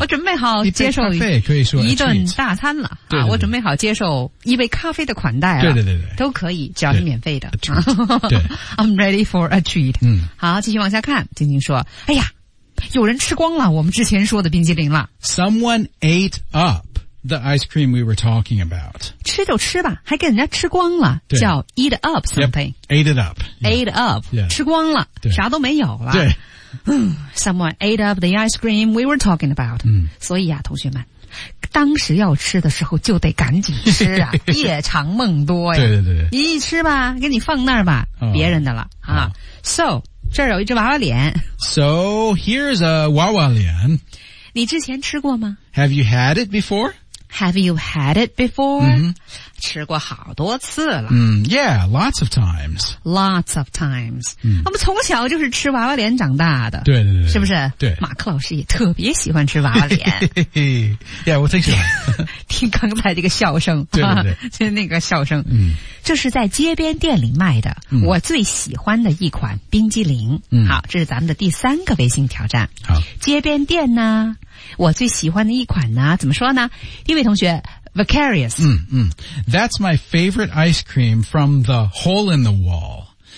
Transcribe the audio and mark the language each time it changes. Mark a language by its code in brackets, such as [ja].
[zh] 我准备好接受一杯咖啡，可以说一顿大餐了，对对对啊，我准备好接受一杯咖啡的款待了，对对对对，都可以，只要是免费的。对 [en] ，I'm ready for a treat。 [zh] 好，继续往下看，晶晶说：“哎呀，有人吃光了我们之前说的冰激凌了。 [en] ”Someone ate up the ice cream we were talking about。 [zh] 吃就吃吧，还给人家吃光了，叫 [en] eat up something。 Yep, ate it up、 yeah.。 Ate up、 yeah.。 [zh] 吃光了，啥都没有了。对。 Someone ate up the ice cream we were talking about。所以呀、啊，同学们。当时要吃的时候就得赶紧吃啊，夜长梦多呀。对对对，你一吃吧，给你放那儿吧，别人的了啊。 So 这儿有一只娃娃脸。 [en] So here's a 娃娃脸。 [zh] 你之前吃过吗 [en] ？Have you had it before? Have you had it before?、 [zh] 吃过好多次了。 [en] Yeah, lots of times. Lots of times. [zh] 我们从小就是吃娃娃脸长大的。对对对。是不是？对。马克老师也特别喜欢吃娃娃脸。 Yeah, 我挺喜欢。听刚才这个笑声。对对对。那个笑声。这是在街边店里卖的我最喜欢的一款冰激凌。好，这是咱们的第三个微信挑战。好。街边店呢，我最喜欢的一款呢，怎么说呢？一位同学Vicarious. [en] That's my favorite ice cream from the hole in the wall.